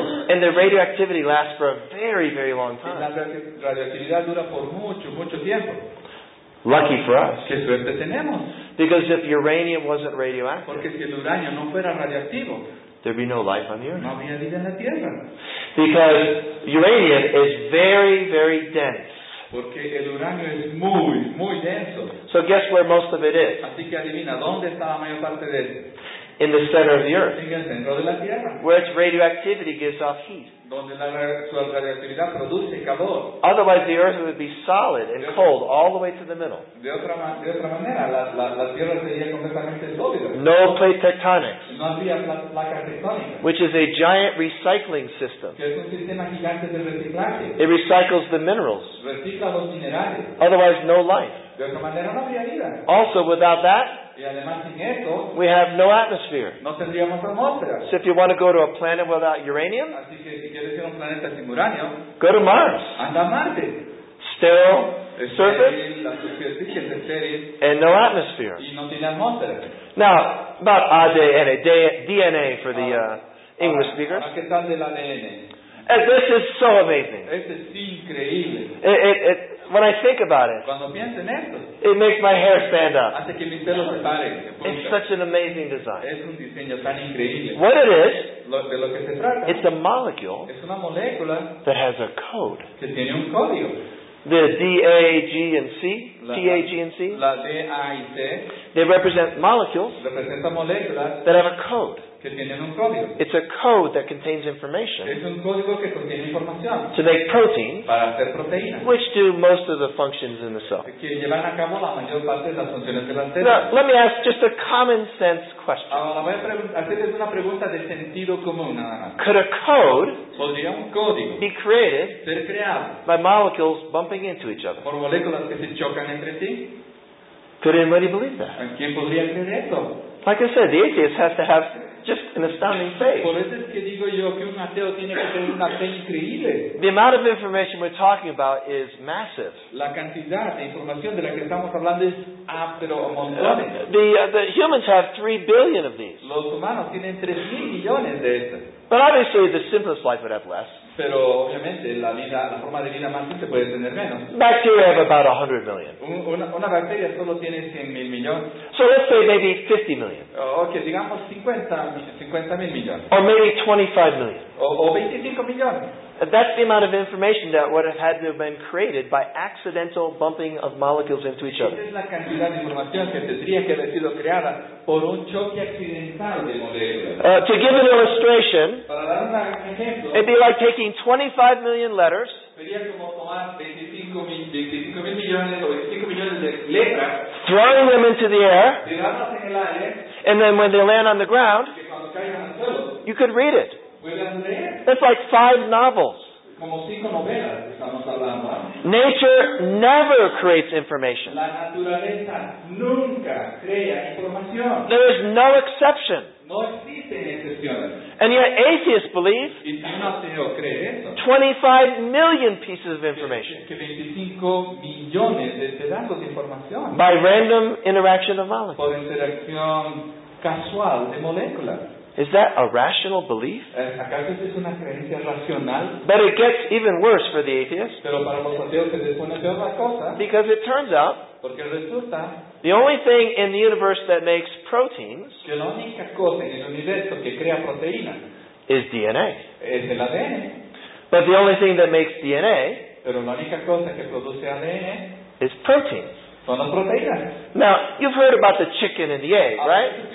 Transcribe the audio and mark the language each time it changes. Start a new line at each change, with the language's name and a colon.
English: And the radioactivity lasts for a very, very long time.
Spanish: Y la radioactividad dura por mucho, mucho tiempo.
English: Lucky for us.
Spanish: Qué suerte tenemos.
English: Because if uranium wasn't radioactive,
Spanish: porque si el uranio no fuera radioactivo,
English: there'd be no life on the earth.
Spanish: No había vida en la tierra.
English: Because uranium is very, very dense.
Spanish: Porque el uranio es muy, muy denso.
English: So guess where most of it is?
Spanish: Así que adivina, ¿dónde está la mayor parte de él?
English: In the center of the earth.
Spanish: En el centro de la tierra.
English: Where its radioactivity gives off heat.
Spanish: Donde su radioactividad produce calor.
English: Otherwise the earth would be solid and cold all the way to the middle.
Spanish: De otra manera, la tierra sería completamente sólida.
English: No plate tectonics.
Spanish: No habría placas tectónicas.
English: Which is a giant recycling system.
Spanish: Que es un sistema gigante de reciclaje.
English: It recycles the minerals.
Spanish: Recicla los minerales.
English: Otherwise no life.
Spanish: De otra manera no habría vida.
English: Also without that,
Spanish: y además, sin esto,
English: we have no atmosphere.
Spanish: No tendríamos atmósfera.
English: So if you want to go to a planet without uranium,
Spanish: así que si quieres ir a un planeta sin uranio,
English: go to Mars.
Spanish: Anda a Marte.
English: Sterile surface,
Spanish: la superficie es estéril,
English: and no atmosphere.
Spanish: Y no tiene atmósfera.
English: Now, about DNA for the English speakers.
Spanish: ¿Qué tal del ADN?
English: And this is so amazing.
Spanish: Este es increíble.
English: It when I think about it,
Spanish: cuando pienso en esto,
English: it makes my hair stand up.
Spanish: Hace que mis pelos se paren.
English: It's such an amazing design.
Spanish: Es un diseño tan increíble.
English: What it is,
Spanish: de lo que se trata,
English: it's a molecule,
Spanish: es una molécula,
English: that has a code.
Spanish: Que tiene un código.
English: The D, A, G, and C.
Spanish: La D, A, y C.
English: They represent molecules,
Spanish: representa moléculas,
English: that have a code.
Spanish: Que tienen un código.
English: It's a code that contains information.
Spanish: Es un código que contiene información.
English: To make proteins,
Spanish: para hacer proteínas.
English: Which do most of the functions in the cell.
Spanish: Que llevan a cabo la mayor parte de las funciones de la célula.
English: Now, let me ask just a common sense question.
Spanish: Ahora voy a hacerles una pregunta de sentido común.
English: Could a code,
Spanish: podría un código,
English: be created,
Spanish: ser creado,
English: by molecules bumping into each other?
Spanish: Por moléculas que se chocan entre sí.
English: Could anybody believe that?
Spanish: ¿Quién podría creer eso?
English: Like I said, the atheist has to have just an astounding faith.
Spanish: Por eso es que digo yo que un ateo tiene que tener una fe increíble.
English: The amount of information we're talking about is massive.
Spanish: La cantidad de información de la que estamos hablando es pero montones.
English: The humans have 3 billion of these.
Spanish: Los humanos tienen 3,000,000,000 de estas.
English: But obviously, the simplest life would have less.
Spanish: Pero obviamente la vida, la forma de vida más simple puede tener menos.
English: Bacteria have about 100 million.
Spanish: Una bacteria solo tiene 100,000,000,000.
English: So let's say maybe 50 million.
Spanish: Okay, digamos 50,000,000,000.
English: Or maybe 25 million.
Spanish: O 25 million.
English: That's the amount of information that would have had to have been created by accidental bumping of molecules into each other.
Spanish: Esa es la cantidad de información que tendría que haber sido creada por un choque accidental de moléculas.
English: To give an illustration,
Spanish: para dar un ejemplo,
English: it'd be like taking 25 million letters,
Spanish: sería como tomar 25 millones o 25 millones de letras,
English: throwing them into the air,
Spanish: tirarlas en el aire,
English: and then when they land on the ground,
Spanish: que cuando caigan al suelo,
English: you could read it. That's like 5 novels.
Spanish: Como 5 novelas estamos hablando.
English: Nature never creates information.
Spanish: La naturaleza nunca crea información.
English: There is no exception.
Spanish: No existen excepciones.
English: And yet atheists believe 25 million pieces of information.
Spanish: Que 25 millones de pedazos de información.
English: By random interaction of molecules.
Spanish: Por interacción casual de moléculas.
English: Is that a rational belief?
Spanish: ¿Acaso es una creencia racional?
English: But it gets even worse for the atheist.
Spanish: Pero para los ateos se pone peor la cosa.
English: Because it turns out,
Spanish: porque resulta,
English: the only thing in the universe that makes proteins,
Spanish: que la única cosa en el universo que crea proteínas,
English: is DNA.
Spanish: Es el ADN.
English: But the only thing that makes DNA,
Spanish: pero la única cosa que produce ADN,
English: is proteins.
Spanish: Son proteínas.
English: Now, you've heard about the chicken and the egg, right?